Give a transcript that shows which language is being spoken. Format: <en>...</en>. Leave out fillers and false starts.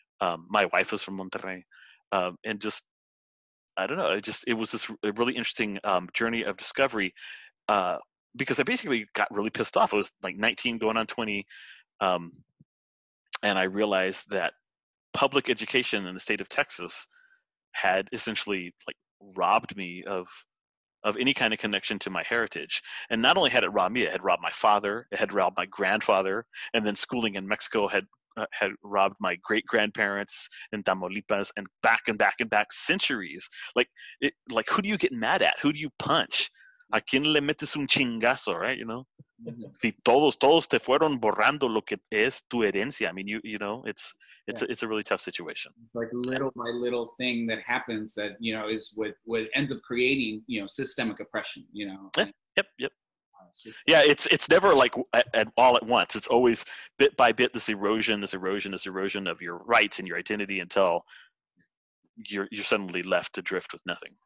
<en>My wife is from Monterrey, and just, I don't know, it was this really interesting journey of discovery, because I basically got really pissed off. I was like 19 going on 20, and I realized that public education in the state of Texas had essentially like robbed me of any kind of connection to my heritage. And not only had it robbed me, it had robbed my father, it had robbed my grandfather, and then schooling in Mexico had robbed my great grandparents in Tamaulipas, and back and back and back centuries. Like who do you get mad at? Who do you punch?</en> <es>¿A quién le metes un chingazo,</es> <en>right? You know,</en> <es>si todos te fueron borrando lo que es tu herencia.</es> <en>I mean, you know, it's a really tough situation. Like little by little thing that happens that, you know, is what ends up creating, you know, systemic oppression, you know? Yep. It's never like at all at once. It's always bit by bit, this erosion of your rights and your identity until you're suddenly left to drift with nothing.</en>